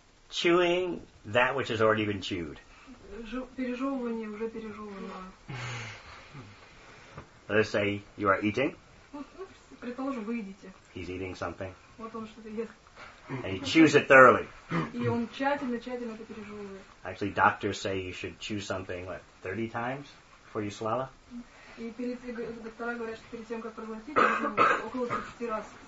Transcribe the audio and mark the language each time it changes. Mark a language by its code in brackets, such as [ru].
[en] Chewing that which has already been chewed. [ru] Пережевывание уже пережеванного. [en] Let's say you are eating. [ru] Ну, предположим, вы едите. [en] He's eating something. [ru] Вот он что-то ест. [en] And he chews it thoroughly. [ru] И он тщательно это пережевывает. [en] Actually, doctors say you should chew something, what, 30 times before you swallow? [ru] И доктора говорят, что перед тем, как проглотить, нужно около 30 раз